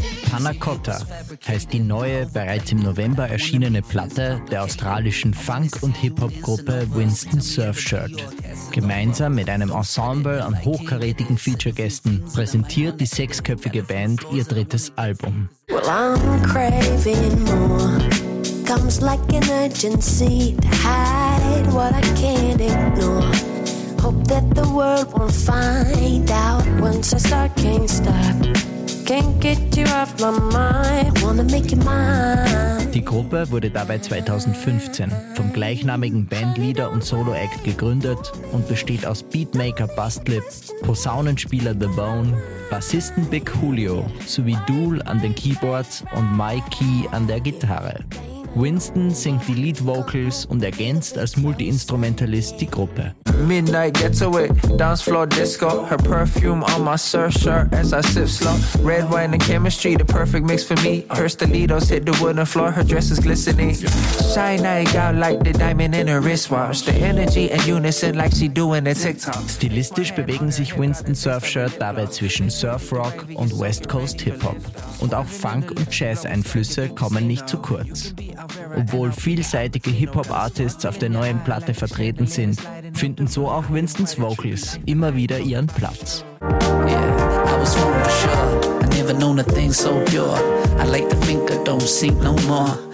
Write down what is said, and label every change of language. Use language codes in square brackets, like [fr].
[de] Panna Cotta heißt die neue, bereits im November erschienene Platte der australischen Funk- und Hip-Hop-Gruppe Winston Surfshirt. Gemeinsam mit einem Ensemble an hochkarätigen Featuregästen präsentiert die sechsköpfige Band ihr drittes Album. [en] Well, I'm craving more. Comes like an urgency to hide what I can't ignore. Hope that the world won't find out once I start, can't stop. Can't get you off my mind, wanna make you mine. [de] Die Gruppe wurde dabei 2015 vom gleichnamigen Bandleader und Solo-Act gegründet und besteht aus Beatmaker Bustlip, Posaunenspieler The Bone, Bassisten Bik Julio sowie Dool an den Keyboards und Mikey an der Gitarre. Winston singt die Lead Vocals und ergänzt als Multi-Instrumentalist die Gruppe. [en] Midnight getaway, dance floor disco, her perfume on my surf shirt as I sip slow. Red wine and chemistry, the perfect mix for me. Her stilettos hit the wooden floor, her dress is glistening. Shine I got like the diamond in her wristwatch. The energy and unison like she doing a TikTok. [de] Stilistisch bewegen sich Winston Surfshirt dabei zwischen Surfrock und West Coast Hip-Hop. Und auch Funk- und Jazz-Einflüsse kommen nicht zu kurz. Obwohl vielseitige Hip-Hop-Artists auf der neuen Platte vertreten sind, finden so auch Winstons Vocals immer wieder ihren Platz. [en] Yeah, I was from the shore. I never known a thing so pure. I like to think I don't sink no more.